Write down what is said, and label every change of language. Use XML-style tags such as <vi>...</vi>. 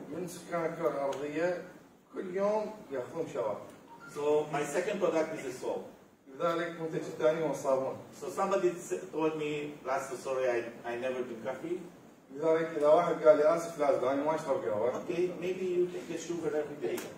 <ar>من سكان الكرة الأرضية كل يوم يأخذون شراب.</ar> <en>So my second product is the soap.</en> <ar>لذلك منتج الثاني هو الصابون.</ar> <en>So somebody told me last story I never drink coffee.</en> <ar>لذلك إذا واحد قال لي آسف لازم أنا ما أشرب قهوة.</ar> <en>Okay, maybe you take a sugar every day.</en>